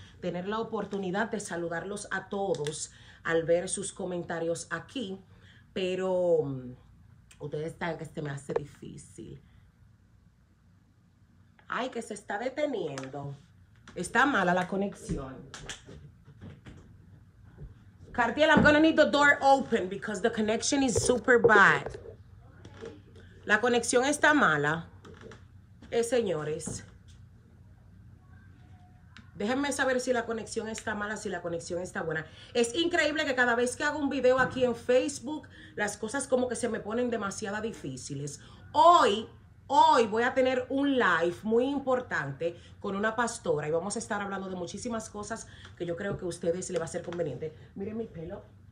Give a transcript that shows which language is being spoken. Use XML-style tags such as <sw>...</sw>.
<es>Tener la oportunidad de saludarlos a todos al ver sus comentarios aquí. Pero ustedes saben que se me hace difícil. Ay, que se está deteniendo. Está mala la conexión.</es> <en>Cartiel, I'm gonna need the door open because the connection is super bad.</en> <es>La conexión está mala. Señores, déjenme saber si la conexión está mala, si la conexión está buena. Es increíble que cada vez que hago un video aquí en Facebook, las cosas como que se me ponen demasiado difíciles. Hoy voy a tener un live muy importante con una pastora y vamos a estar hablando de muchísimas cosas que yo creo que a ustedes les va a ser conveniente. Miren mi pelo.</es>